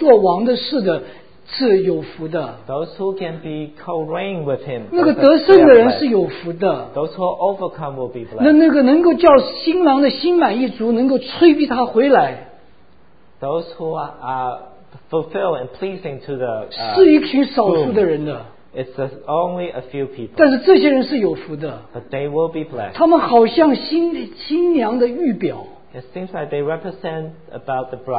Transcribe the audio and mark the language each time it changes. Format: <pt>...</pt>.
<zh>在国度里面能够在他与他一同做王的事的是有福的。</zh> <en>Those who can be co-reign with him.</en> <zh>那个得胜的人是有福的。</zh> <en>Those who overcome will be blessed.</en> <zh>那个能够叫新郎的心满意足能够催逼他回来。</zh> <en>Those who are fulfilled and pleasing to the</en> <zh>是一群少数的人的。</zh> <en>It's only a few people.</en> <zh>但是这些人是有福的。</zh> <en>But they will be blessed.</en> <zh>他们好像新娘的预表。</zh> <en>It seems like they represent about the bride.</en>